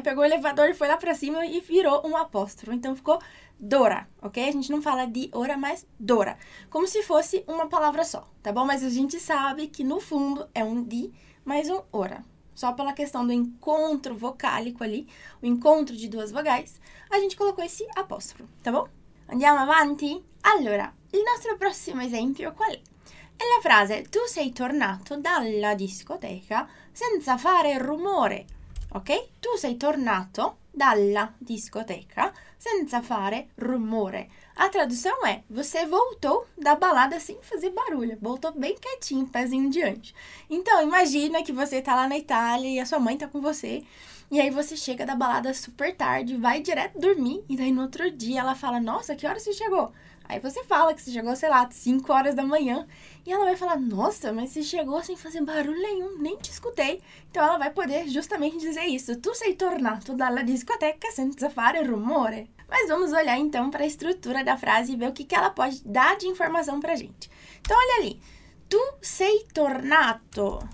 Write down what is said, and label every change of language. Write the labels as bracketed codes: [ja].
[pt] Pegou o elevador e foi lá pra cima e virou um apóstrofo. Então ficou dora, ok? A gente não fala di ora, mas dora. Como se fosse uma palavra só, tá bom? Mas a gente sabe que no fundo é um di mais um ora. Só pela questão do encontro vocálico ali, o encontro de duas vogais, a gente colocou esse apóstrofo, tá bom? [it] Andiamo avanti? Allora, il nostro prossimo esempio qual è? È la frase tu sei tornato dalla discoteca senza fare rumore, ok? Tu sei tornato dalla discoteca senza fare rumore. [pt] A tradução è você voltou da balada sem fazer barulho, voltou bem quietinho, pezinho di ante. Então, imagina que você tá lá na Itália e a sua mãe tá com você. E aí você chega da balada super tarde, vai direto dormir, e daí no outro dia ela fala: Nossa, que hora você chegou? Aí você fala que você chegou, sei lá, 5 horas da manhã. E ela vai falar: Nossa, mas você chegou sem fazer barulho nenhum, nem te escutei. Então ela vai poder justamente dizer isso: [it] Tu sei tornato dalla discoteca senza fare rumore. [pt] Mas vamos olhar então para a estrutura da frase e ver o que que ela pode dar de informação para a gente. Então olha ali: [it] Tu sei tornato.